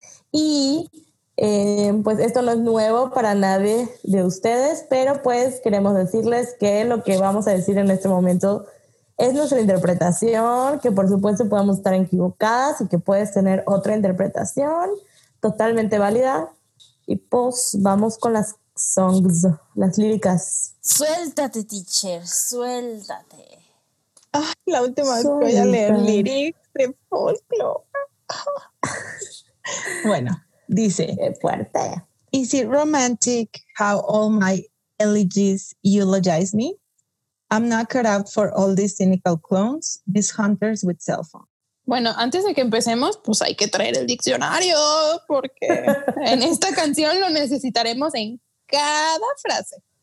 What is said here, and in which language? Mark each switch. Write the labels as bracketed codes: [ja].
[es] Y pues esto no es nuevo para nadie de ustedes, pero pues queremos decirles que lo que vamos a decir en este momento es nuestra interpretación, que por supuesto podemos estar equivocadas y que puedes tener otra interpretación totalmente válida. Y pues vamos con las songs, las líricas. Suéltate, teacher, suéltate. Ay, la última vez que voy a leer líricas de folclore. Bueno. Dice, fuerte. [en] Is it romantic how all my elegies eulogize me? I'm not cut out for all these cynical clones, these hunters with cell phones. [es] Bueno, antes de que empecemos, pues hay que traer el diccionario, porque en esta canción lo necesitaremos en cada frase.